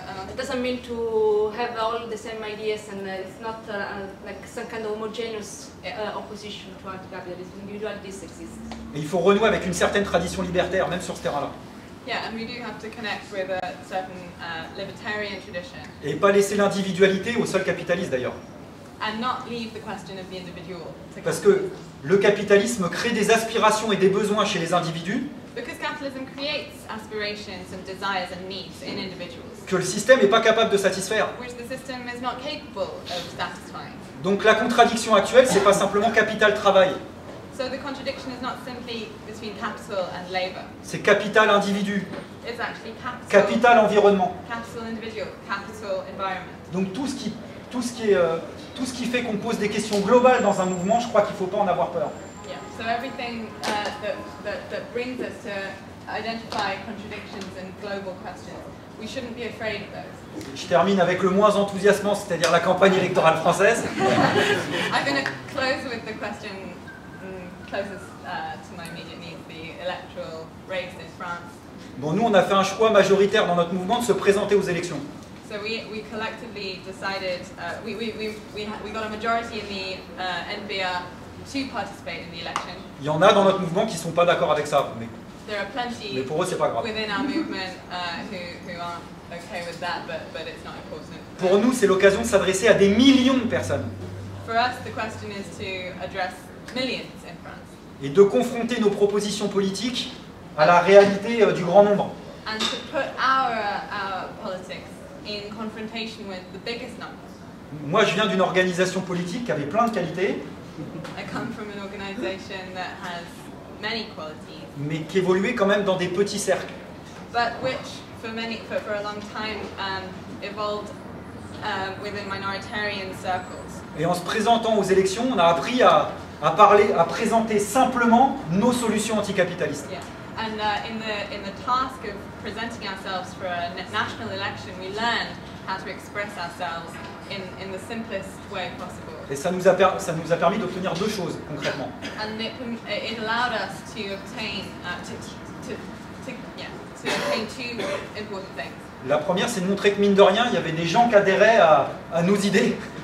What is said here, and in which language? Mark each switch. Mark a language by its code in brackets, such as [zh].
[en] It doesn't mean to have all the same ideas, and it's not like some kind of homogeneous opposition to anti-capitalism. Individualities exist. [fr] Et il faut renouer avec une certaine tradition libertaire, même sur ce terrain-là. [en] Yeah, and we do have to connect with a certain libertarian tradition. [fr] Et pas laisser l'individualité au seul capitaliste, d'ailleurs. [en] And not leave the question of the individual. [fr] Parce que le capitalisme crée des aspirations et des besoins chez les individus. [en] Because capitalism creates aspirations and desires and needs in individuals. [fr] Que le système n'est pas capable de satisfaire. [en] Which the system is not capable of satisfying. [fr] Donc la contradiction actuelle, c'est pas simplement capital-travail. [en] So the contradiction is not simply between capital and labor. [fr] C'est capital-individu. [en] It's actually capital. [fr] Capital-environnement. [en] Capital-individual, capital-environment. [fr] Donc tout ce qui fait qu'on pose des questions globales dans un mouvement, je crois qu'il ne faut pas en avoir peur. [en] Yeah. So everything that brings us to identify contradictions and global questions, we shouldn't be afraid of those. [fr] Je termine avec le moins enthousiasmant, c'est-à-dire la campagne électorale française. [en] I'm going to close with the question closest to my immediate needs, the electoral race in France. [fr] Bon, nous, on a fait un choix majoritaire dans notre mouvement de se présenter aux élections. [en] So we collectively decided we got a majority in the NBR to participate in the election. [fr] Il y en a dans notre mouvement qui sont pas d'accord avec ça, mais [en] there are plenty [fr] mais pour eux c'est pas grave. [en] Within our movement who aren't okay with that, but it's not important. [fr] Pour nous, c'est l'occasion de s'adresser à des millions de personnes. [en] For us, the question is to address millions in France. [fr] Et de confronter nos propositions politiques à la réalité du grand nombre. [en] And to put our politics in confrontation with the biggest numbers. [fr] Moi, je viens d'une organisation politique qui avait plein de qualités. [en] I come from an organization that has many qualities. [fr] Mais qui évoluait quand même dans des petits cercles. [en] But which, for a long time, evolved within minoritarian circles. [fr] Et en se présentant aux élections, on a appris à présenter simplement nos solutions anticapitalistes. [en] Yeah. And in the task of presenting ourselves for a national election, we learned how to express ourselves in the simplest way possible. [fr] Et ça nous a permis d'obtenir deux choses concrètement. [en] And it allowed us to obtain to obtain two important things. [fr] La première, c'est de montrer que mine de rien, il y avait des gens qui adhéraient à nos idées.